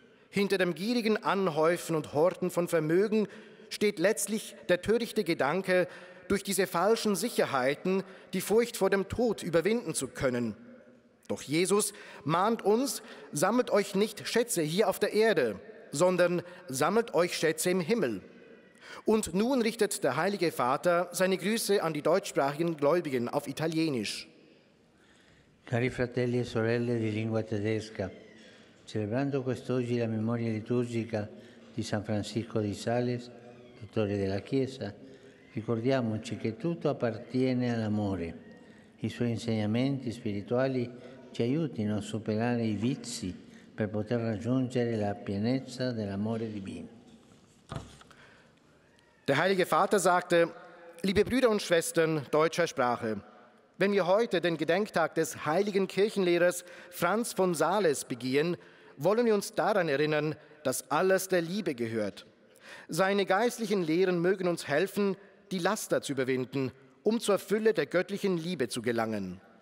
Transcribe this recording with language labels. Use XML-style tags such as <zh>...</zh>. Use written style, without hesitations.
<de>Hinter dem gierigen Anhäufen und Horten von Vermögen steht letztlich der törichte Gedanke, durch diese falschen Sicherheiten die Furcht vor dem Tod überwinden zu können. Doch Jesus mahnt uns, sammelt euch nicht Schätze hier auf der Erde, sondern sammelt euch Schätze im Himmel. Und nun richtet der Heilige Vater seine Grüße an die deutschsprachigen Gläubigen auf Italienisch.</de> <it>Cari fratelli e sorelle di lingua tedesca, celebrando quest'oggi la memoria liturgica di San Francisco di Sales, dottore della Chiesa, ricordiamoci che tutto appartiene all'amore. I suoi insegnamenti spirituali ci aiutino a superare i vizi per poter raggiungere la pienezza dell'amore divino.</it> <de>Der Heilige Vater sagte: Liebe Brüder und Schwestern deutscher Sprache, wenn wir heute den Gedenktag des heiligen Kirchenlehrers Franz von Sales begehen, wollen wir uns daran erinnern, dass alles der Liebe gehört. Seine geistlichen Lehren mögen uns helfen, die Laster zu überwinden, um zur Fülle der göttlichen Liebe zu gelangen.</de>